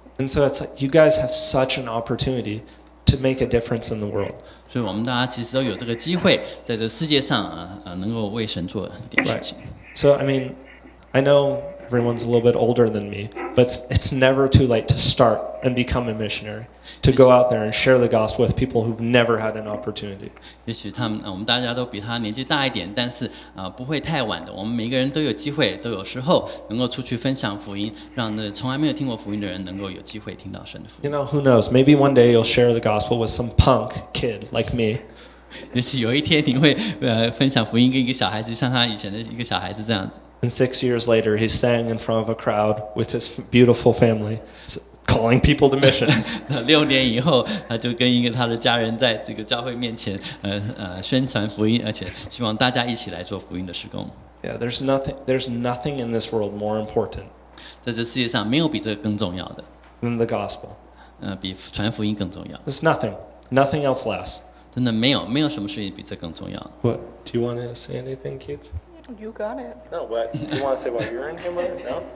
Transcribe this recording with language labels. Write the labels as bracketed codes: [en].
[en] And so it's like you guys have such an opportunity to make a difference in the world. [zh] 所以我们大家其实都有这个机会在这个世界上能够为神做一点事情。 [en] Right. So I mean, I know everyone's a little bit older than me, but it's never too late to start and become a missionary. To go out there and share the gospel with people who've never had an opportunity. [zh] 也许他们，我们大家都比他年纪大一点，但是不会太晚的。我们每个人都有机会，都有时候能够出去分享福音，让那从来没有听过福音的人能够有机会听到神的福音。 [en] You know, who knows? Maybe one day you'll share the gospel with some punk kid like me. [zh] 也许有一天你会分享福音跟一个小孩子，像他以前的一个小孩子这样子。 [en] And 6 years later, he's standing in front of a crowd with his beautiful family. Calling people to missions. [zh] 那六年以后，他就跟一个他的家人在这个教会面前，宣传福音，而且希望大家一起来做福音的事工。 [en] Yeah, there's nothing in this world more important. [zh] 在这世界上没有比这个更重要的。 [en] Than the gospel. [zh] 比传福音更重要。 [en] It's nothing. Nothing else less. [zh] 真的没有，没有什么事情比这更重要。 [en] What? Do you want to say anything, kids? You got it. No, but do you want to say what you're in Cambodia?